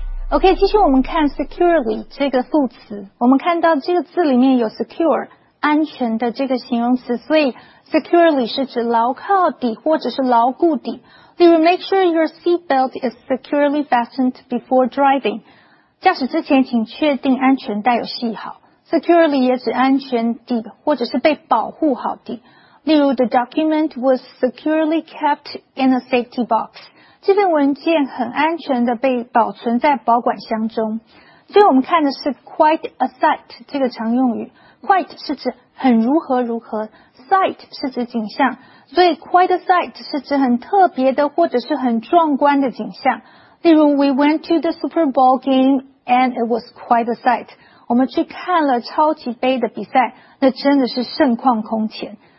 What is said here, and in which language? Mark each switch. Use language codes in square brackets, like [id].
[zh] OK, 继续我们看 securely 这个副词，我们看到这个字里面有 secure 安全的这个形容词，所以Securely 是指牢靠底或者是牢固底。例如 [en] ,make sure your seatbelt is securely fastened before driving. [zh] 驾驶之前请确定安全带有系好。 Securely 也指安全底或者是被保护好底。例如 [en] ,the document was securely kept in a safety box. [zh] 这份文件很安全的被保存在保管箱中。所以我们看的是 [en] quite a sight [zh] 这个常用语。 Quite 是指很如何如何。Sight 是指景象，所以 [en] quite a sight [zh] 是指很特别的或者是很壮观的景象。例如 [en] ,we went to the Super Bowl game and it was quite a sight. [zh] 我们去看了超级杯的比赛，那真的是盛况空前。